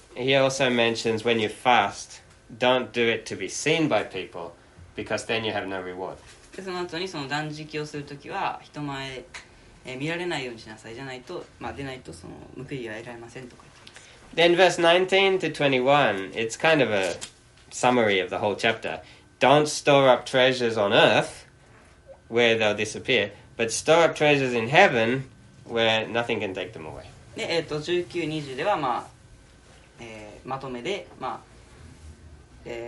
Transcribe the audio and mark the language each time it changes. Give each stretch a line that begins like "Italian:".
English: He also mentions when you fast, don't do it to be seen by people, because then you have no reward.
Japanese: その後にその断食をするときは人前、見られないようにしなさい。じゃないと、まあ、出ないとその報いは得られませんとか言ってます。
English: Then verse 19 to 21, it's kind of a summary of the whole chapter. Don't store up treasures on earth, where they'll disappear, but store up treasures in heaven, where nothing can take them away.
Japanese: で、19、20ではまあまとめで、まあ、